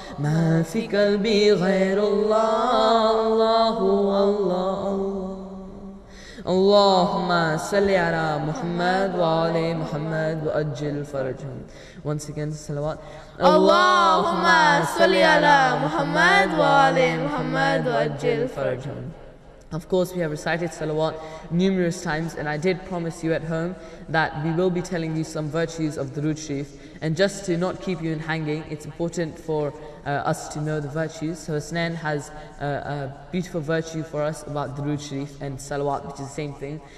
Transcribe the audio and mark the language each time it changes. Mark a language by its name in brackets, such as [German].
[Arabic] ما في قلبي غير الله الله الله الله اللهم صل على محمد وعلى محمد وأجل فرجهم [English] Once again, salawat. [Arabic] اللهم صل على محمد وعلى محمد وأجل فرجهم [English] Of course, we have recited salawat numerous times, and I did promise you at home that we will be telling you some virtues of Durood Sharif. And just to not keep you in hanging, it's important for us to know the virtues. So Hasnain has a beautiful virtue for us about Durood Sharif and salawat, which is the same thing.